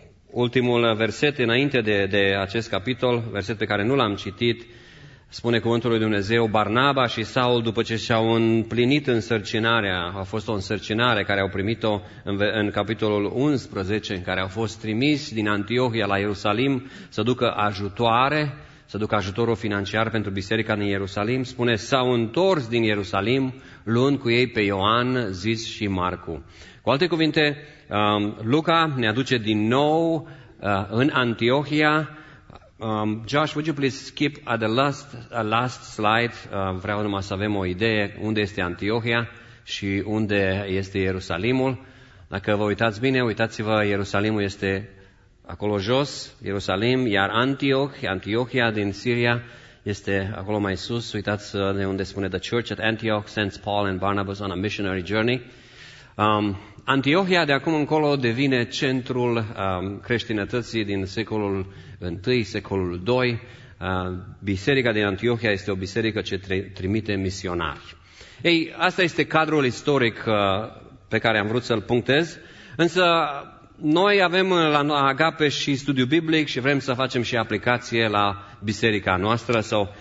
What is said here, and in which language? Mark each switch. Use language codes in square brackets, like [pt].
[ro] Ultimul verset înainte de acest capitol, verset pe care nu l-am citit, spune cuvântul lui Dumnezeu: Barnaba și Saul, după ce și-au împlinit însărcinarea, a fost o însărcinare care au primit-o în capitolul 11, în care au fost trimiși din Antiohia la Ierusalim să ducă ajutoare, să ducă ajutorul financiar pentru biserica din Ierusalim, spune, s-au întors din Ierusalim, luând cu ei pe Ioan, zis și Marcu. Cu alte cuvinte, Luca ne aduce din nou în Antiohia. [en] Josh, would you please skip at the last slide? [ro] Vreau numai să avem o idee unde este Antiohia și unde este Ierusalimul. Dacă vă uitați bine, uitați-vă, Ierusalimul este acolo jos, Ierusalim, iar Antiohia din Siria este acolo mai sus. Uitați de unde spune: [en] The church at Antioch sends Paul and Barnabas on a missionary journey. [ro] Antiohia de acum încolo devine centrul creștinătății din secolul I, secolul II. Biserica din Antiohia este o biserică ce trimite misionari. Ei, asta este cadrul istoric pe care am vrut să-l punctez, însă noi avem la Agape și studiu biblic și vrem să facem și aplicație la biserica noastră.